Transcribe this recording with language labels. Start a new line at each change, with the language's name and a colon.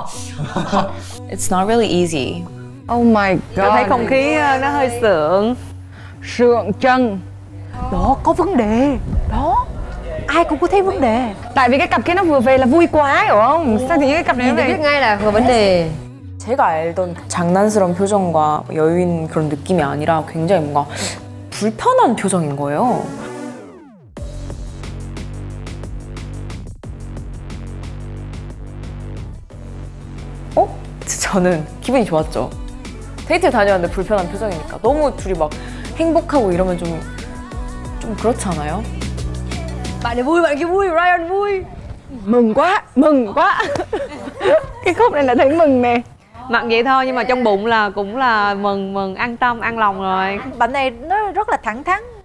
English: Oh, it's not really easy. Oh my god.
Vietnamese: Thấy không khí nó hơi sượng, sượng chân. Đó có vấn đề. Đó. Ai cũng có thấy vấn đề. Tại vì cái cặp kia nó vừa về là vui quá, hiểu không? Sao thì cái cặp này nó biết ngay là có vấn đề.
Korean: 제가 알던 장난스러운 표정과 여유인 그런 느낌이 아니라 굉장히 뭔가 불편한 표정인 거예요. 어? 저는 기분이 좋았죠. 데이트 다녀왔는데 불편한 표정이니까 너무 둘이 막 행복하고 이러면 좀 그렇지 않아요?
Vietnamese: Bạn ấy vui, bạn ấy vui, Ryan vui. Mừng quá, mừng quá. Cái khúc này là thấy mừng nè. Mặc vậy thôi nhưng mà trong bụng là cũng là mừng, mừng, an tâm, an lòng rồi. Bạn này nó rất là thẳng thắn.